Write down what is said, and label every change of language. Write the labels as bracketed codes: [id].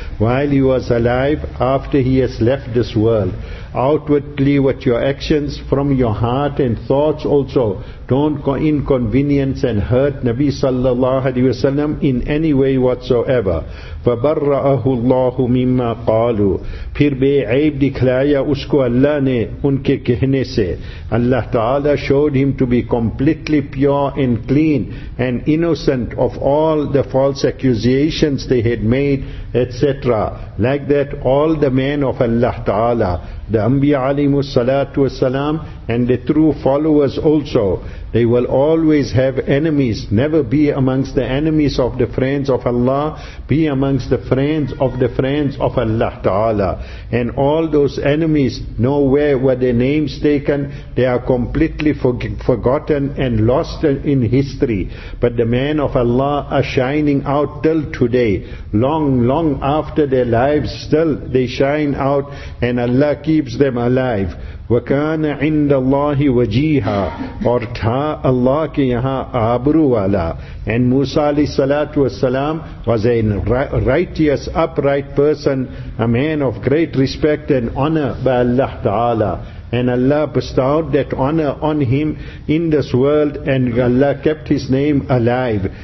[en] While he was alive, after he has left this world, outwardly what your actions from your heart and thoughts also, don't inconvenience and hurt Nabi sallallahu alayhi wa sallam in any way whatsoever. [ar] فَبَرَّأَهُ اللَّهُ مِمَّا قَالُوا. [ur] پھر بے عیب دکھلایا اس کو اللہ نے ان کے کہنے سے. [en] Allah Ta'ala showed him to be completely pure and clean and innocent of all the false accusations they had made, etc. Like that, all the men of Allah Ta'ala, the Anbiya alayhimu salatu wasalam, and the true followers also, they will always have enemies. Never be amongst the enemies of the friends of Allah. Be amongst the friends of the friends of Allah Ta'ala. And all those enemies, nowhere were their names taken. They are completely forgotten and lost in history. But the men of Allah are shining out till today. Long, long after their lives, still they shine out and Allah keeps them alive. [ar] وَكَانَ عِنْدَ اللَّهِ وَجِيهًا. [ur] اور تھا اللہ کے یہاں آبرو والا. [en] And Musa alayhi salatu wasalam was a righteous, upright person, a man of great respect and honor by Allah Ta'ala. And Allah bestowed that honor on him in this world, and Allah kept his name alive.